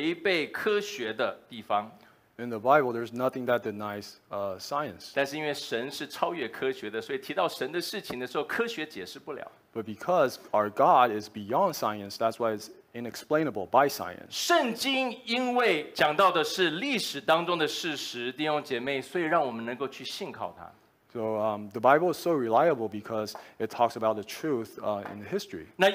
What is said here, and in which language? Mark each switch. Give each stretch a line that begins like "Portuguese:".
Chinese: 圣经里面没有任何违背科学的地方。
English: In the Bible, there's nothing that denies science.
Chinese: 但是因为神是超越科学的, 所以提到神的事情的时候, 科学解释不了。
English: But because our God is beyond science, that's why it's inexplainable by science.
Chinese: 圣经因为讲到的是历史当中的事实, 弟兄姐妹, 所以让我们能够去信靠它。
English: So the Bible is so reliable because it talks about the truth in history.